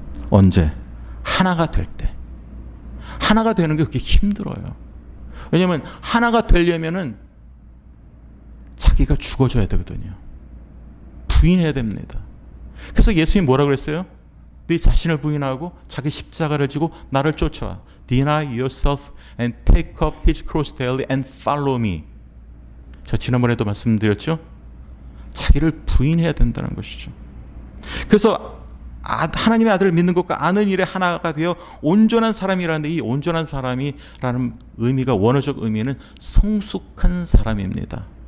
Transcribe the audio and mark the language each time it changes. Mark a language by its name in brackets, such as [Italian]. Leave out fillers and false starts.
[Korean] 언제? 하나가 될 때. 하나가 되는 게 그렇게 힘들어요. 왜냐하면 하나가 되려면은 자기가 죽어줘야 되거든요. 부인해야 됩니다. 그래서 예수님 뭐라고 그랬어요? 네 자신을 부인하고 자기 십자가를 지고 나를 쫓아. [English] Deny yourself and take up his cross daily and follow me. [Korean] 저 지난번에도 말씀드렸죠? 자기를 부인해야 된다는 것이죠. 그래서 하나님의 아들을 믿는 것과 아는 일에 하나가 되어 온전한 사람이라는데 이 온전한 사람이라는 의미가 원어적 의미는 성숙한 사람입니다.